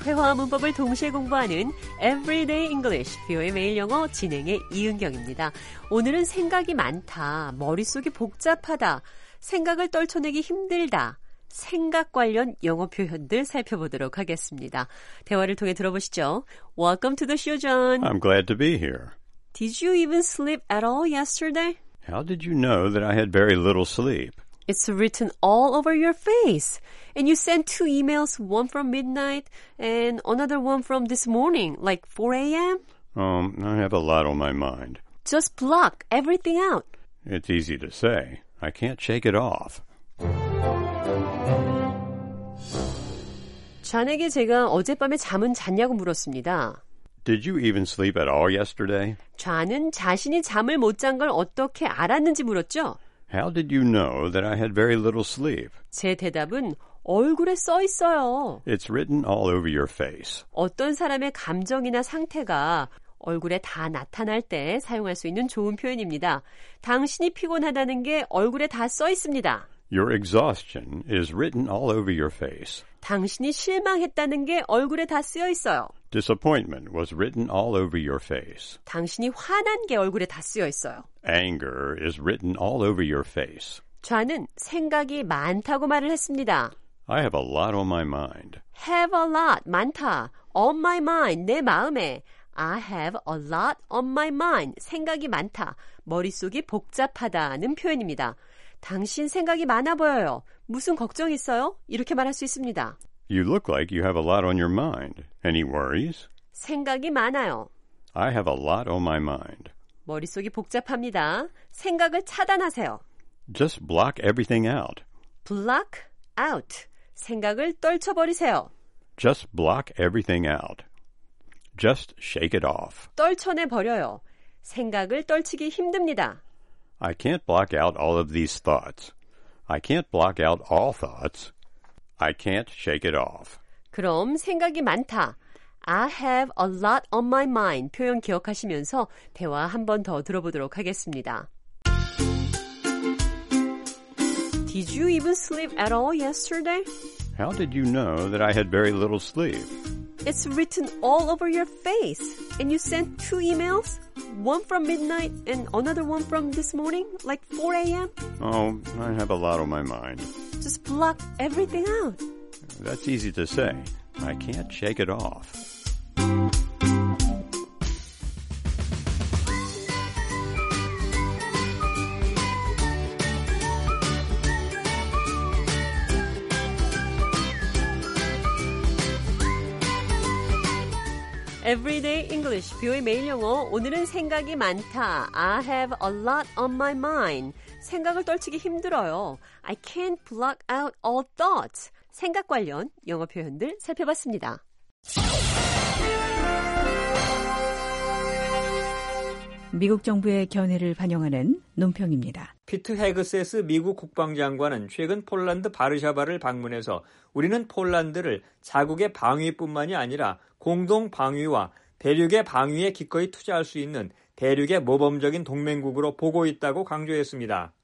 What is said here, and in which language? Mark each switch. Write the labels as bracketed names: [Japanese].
[Korean] 회화와 문법을 동시에 공부하는 Everyday English, 뷰의 매일 영어 진행의 이은경입니다. 오늘은 생각이 많다, 머릿속이 복잡하다, 생각을 떨쳐내기 힘들다, 생각 관련 영어 표현들 살펴보도록 하겠습니다. 대화를 통해 들어보시죠. [English] Welcome to the show, John. I'm glad to be here. Did you even sleep at all yesterday? How did you know that I had very little sleep? It's written all over your face. And you sent two emails, one from midnight and another one from this morning, like 4 a.m.? I have a lot on my mind. Just block everything out. It's easy to say. I can't shake it off. [Korean] 잔에게 제가 어젯밤에 잠은 잤냐고 물었습니다. [English] Did you even sleep at all yesterday? [Korean] 좌는 자신이 잠을 못 잔 걸 어떻게 알았는지 물었죠. [English] How did you know that I had very little sleep? [Korean] 제 대답은 얼굴에 써 있어요. [English] It's written all over your face. [Korean] 어떤 사람의 감정이나 상태가 얼굴에 다 나타날 때 사용할 수 있는 좋은 표현입니다. 당신이 피곤하다는 게 얼굴에 다 써 있습니다. [English] Your exhaustion is written all over your face. [Korean] 당신이 실망했다는 게 얼굴에 다 쓰여 있어요. [English] Disappointment was written all over your face. [Korean] 당신이 화난 게 얼굴에 다 쓰여 있어요. [English] Anger is written all over your face. [Korean] 저는 생각이 많다고 말을 했습니다. [English] I have a lot on my mind. Have a lot, [Korean] 많다. [English] On my mind, [Korean] 내 마음에. [English] I have a lot on my mind. [Korean] 생각이 많다. 머릿속이 복잡하다는 표현입니다. 당신 생각이 많아 보여요. 무슨 걱정 있어요? 이렇게 말할 수 있습니다. [English] You look like you have a lot on your mind. Any worries? [Korean] 생각이 많아요. [English] I have a lot on my mind. [Korean] 머릿속이 복잡합니다. 생각을 차단하세요. [English] Just block everything out. Block out. [Korean] 생각을 떨쳐버리세요. [English] Just block everything out. Just shake it off. [Korean] 떨쳐내 버려요. 생각을 떨치기 힘듭니다. [English] I can't block out all of these thoughts. I can't block out all thoughts. I can't shake it off. [Korean] 그럼 생각이 많다. [English] I have a lot on my mind. [Korean] 표현 기억하시면서 대화 한 번 더 들어보도록 하겠습니다. [English] Did you even sleep at all yesterday? How did you know that I had very little sleep? It's written all over your face. And you sent two emails? One from midnight and another one from this morning, like 4 a.m.? I have a lot on my mind. Just block everything out. That's easy to say. I can't shake it off. [Korean] 에브리데이 잉글리시, 뷰의 매일 영어, 오늘은 생각이 많다. [English] I have a lot on my mind. [Korean] 생각을 떨치기 힘들어요. [English] I can't block out all thoughts. [Korean] 생각 관련 영어 표현들 살펴봤습니다. 미국 정부의 견해를 반영하는 논평입니다. 피트 헤그세스 미국 국방장관은 최근 폴란드 바르샤바를 방문해서 우리는 폴란드를 자국의 방위뿐만이 아니라 공동 방위와 대륙의 방위에 기꺼이 투자할 수 있는 대륙의 모범적인 동맹국으로 보고 있다고 강조했습니다.